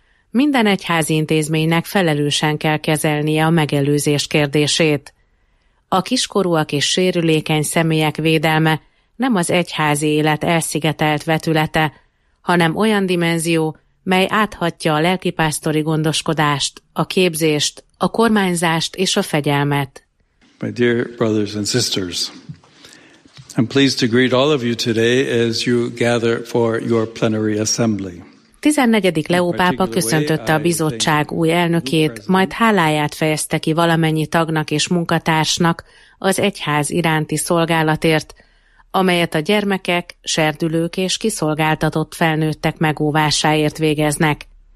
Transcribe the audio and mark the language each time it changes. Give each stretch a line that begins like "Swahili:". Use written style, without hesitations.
Hungarian: Minden egyházi intézménynek felelősen kell kezelnie a megelőzés kérdését. A kiskorúak és sérülékeny személyek védelme nem az egyházi élet elszigetelt vetülete, hanem olyan dimenzió, mely áthatja a lelkipásztori gondoskodást, a képzést, a kormányzást és a fegyelmet.
English: My dear brothers and sisters, I'm pleased to greet all of you today as you gather for your plenary assembly. 14.
Hungarian: Leó pápa köszöntötte a bizottság új elnökét, majd háláját fejezte ki valamennyi tagnak és munkatársnak az egyház iránti szolgálatért, amelyet a gyermekek, serdülők és kiszolgáltatott felnőttek megóvásáért végeznek.